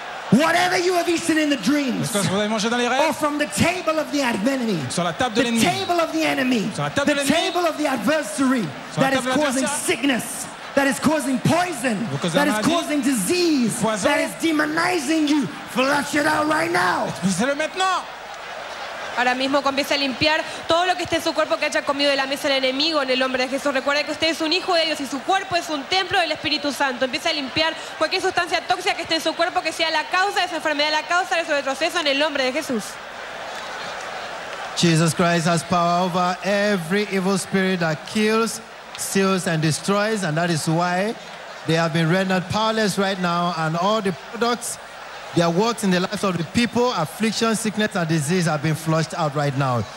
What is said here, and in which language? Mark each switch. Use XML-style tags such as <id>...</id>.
<en>Whatever you have eaten in the dreams, or from the table of the enemy, the table of the enemy, the table of the adversary that is causing sickness, that is causing poison, that is causing disease, that is demonizing you, flush it out right now.</en> <es>Ahora mismo comience a limpiar todo lo que esté en su cuerpo que haya comido de la mesa del enemigo en el nombre de Jesús. Recuerde que usted es un hijo de Dios y su cuerpo es un templo del Espíritu Santo. Empiece a limpiar cualquier sustancia tóxica que esté en su cuerpo que sea la causa de su enfermedad, la causa de su retroceso en el nombre de Jesús.</es> <en>Jesus Christ has power over every evil spirit that kills, steals and destroys, and that is why they have been rendered powerless right now, and all the products, their works in the lives of the people, affliction, sickness, and disease have been flushed out right now.</en>